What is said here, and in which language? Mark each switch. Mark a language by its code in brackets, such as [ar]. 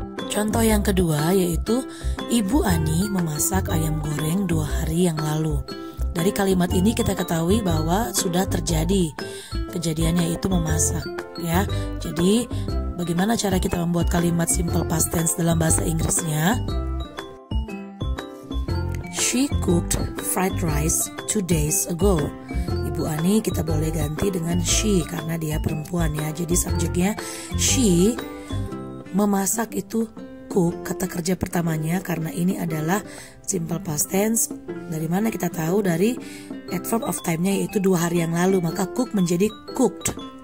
[id] Contoh yang kedua yaitu Ibu Ani memasak ayam goreng 2 hari yang lalu. Dari kalimat ini kita ketahui bahwa sudah terjadi kejadiannya itu memasak, ya. Jadi bagaimana cara kita membuat kalimat simple past tense dalam bahasa Inggrisnya? [en] She cooked fried rice 2 days ago. [id] Ibu Ani kita boleh ganti dengan she karena dia perempuan, ya. Jadi subjeknya she memasak itu cook, kata kerja pertamanya, karena ini adalah simple past tense. Dari mana kita tahu? Dari adverb of time-nya yaitu 2 hari yang lalu, maka cook menjadi cooked.